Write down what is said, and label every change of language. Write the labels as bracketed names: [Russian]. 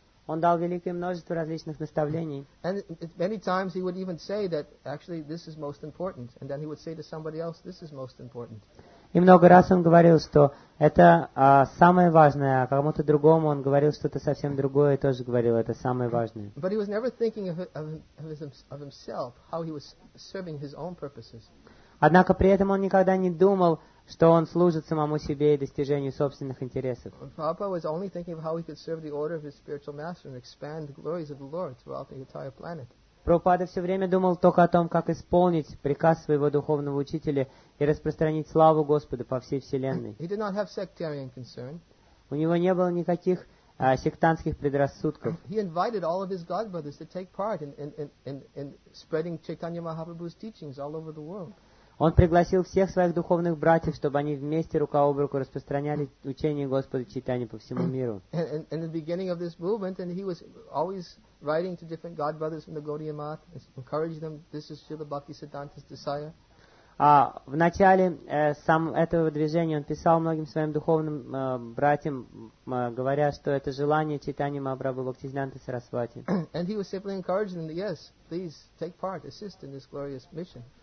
[Russian] Он дал великое множество различных наставлений. [English] And many times he would even say that actually this is most important, and then he would say to somebody else, this is most important. [Russian] И много раз он говорил, что это самое важное, а кому-то другому он говорил что-то совсем другое, тоже говорил, это самое важное. [English] But he was never thinking of himself, how he was serving his own purposes. [Russian] Однако при этом он никогда не думал, что он служит самому себе и достижению собственных интересов. [English] Prabhupada was only thinking of how he could serve the order of his spiritual master and expand the glories of the Lord throughout the entire planet. [Russian] Prabhupada все время думал только о том, как исполнить приказ своего духовного учителя и распространить славу Господа по всей вселенной. [English] He did not have sectarian concern. [Russian] У него не было никаких сектантских предрассудков. [English] He invited all of his god brothers to take part in spreading Chaitanya Mahaprabhu's teachings all over the world. [Russian] Он пригласил всех своих духовных братьев, чтобы они вместе рука об руку распространяли учение Господа Чайтаньи по всему миру. [English] In the beginning of this movement, and he was always writing to different god brothers from the Gaudiya Math, encouraging them, this is Srila Bhakti Siddhanta's desire. [Russian] В начале этого движения он писал многим своим духовным братьям, говоря, что это желание Чайтаньи Махапрабху Бхактисиддханты Сарасвати. [English] And he was simply encouraging them, yes, please take part, assist in this glorious mission.